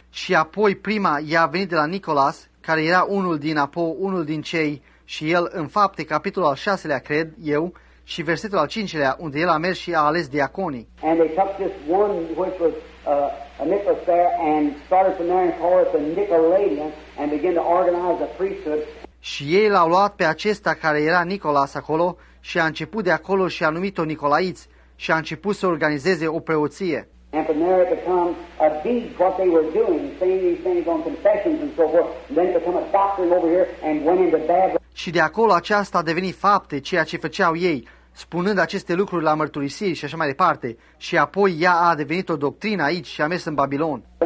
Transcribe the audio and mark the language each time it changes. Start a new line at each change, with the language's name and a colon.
Romanian: Și apoi prima i-a venit de la Nicolas, care era unul din cei, și el în fapte, capitolul al 6-lea, cred eu, și versetul al 5-lea, unde el a mers și a ales diaconii.
English: And they took this one which was a Nicholas there and started from there and called it the Nicolaitan and began to organize the priesthood.
Romanian: Și ei l-au luat pe acesta care era Nicolas acolo și a început de acolo și a numit-o Nicolaiți și a început să organizeze o preoție.
English: And from there it becomes a deed what they were doing, saying these things on confessions and so forth. Then it becomes a doctrine over here and went into bad.
Romanian: Și de acolo aceasta a devenit fapte, ceea ce făceau ei, spunând aceste lucruri la mărturisiri și așa mai departe. Și apoi ea a devenit o doctrină aici și a mers în Babilon.